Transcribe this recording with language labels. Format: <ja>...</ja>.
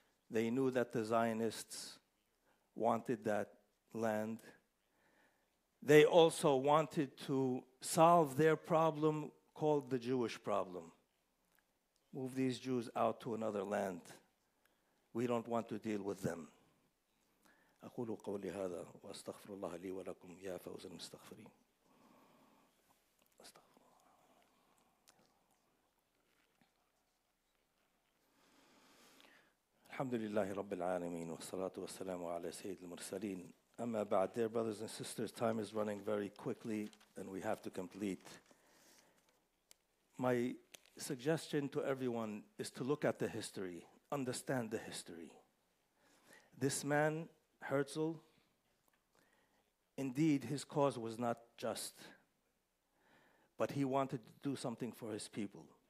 <en>They knew that the Zionists wanted that land. They also wanted to solve their problem called the Jewish problem. Move these Jews out to another land. We don't want to deal with them.</en> <ar>أقول قولي هذا وأستغفر الله لي ولكم يا فوز المستغفرين. الحمد لله رب العالمين والصلاة والسلام على سيد المرسلين. أما بعد,</ar> <en>dear brothers and sisters, time is running very quickly and we have to complete. My suggestion to everyone is to look at the history, understand the history. This man, Herzl, indeed his cause was not just, but he wanted to do something for his people.</en>